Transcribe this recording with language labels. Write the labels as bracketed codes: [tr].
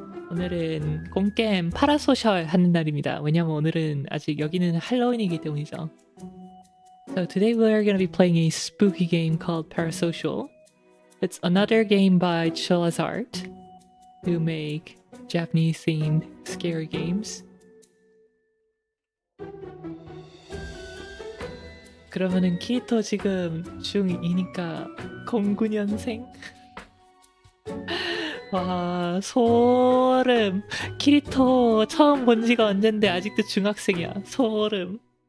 [ko] 오늘은 공게임 파라소셜 하는 날입니다. 왜냐면 오늘은 아직 여기는 할로윈이기 때문이죠. [en] So today we are going to be playing a spooky game called Parasocial. It's another game by Chilazart, who make Japanese-themed scary games. [ko] 그러면은 키토 지금 중2니까 09년생? 와 소름! 키토 처음 본 지가 언젠데 아직도 중학생이야. 소름!